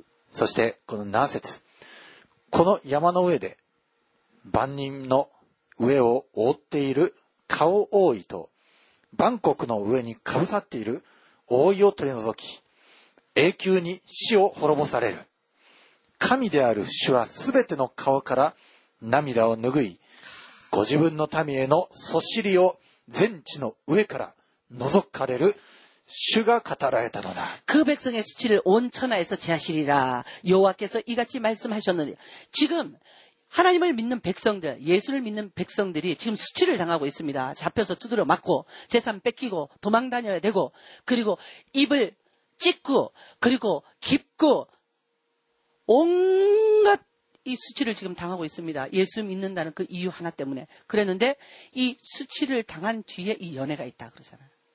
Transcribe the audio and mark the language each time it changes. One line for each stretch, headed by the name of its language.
Japanese: そしてこの何節この山の上で万人の上を覆っている顔覆いと万国の上にかぶさっている覆いを取り除き永久に死を滅ぼされる神である主はすべての顔から涙を拭い、ご自分の民へのそしりを全地の上から覗かれる主が語られたのだ。
Korean: 그백성의수치를온천하에서제하시리라。 여호와께서이같이말씀하셨느니。 지금하나님을믿는백성들예수를믿는백성들이지금수치를당하고있습니다잡혀서두드려맞고재산뺏기고도망다녀야되고그리고입을찢고그리고깊고온갖이수치를지금당하고있습니다예수믿는다는그이유하나때문에그랬는데이수치를당한뒤에이연애가있다그러잖아요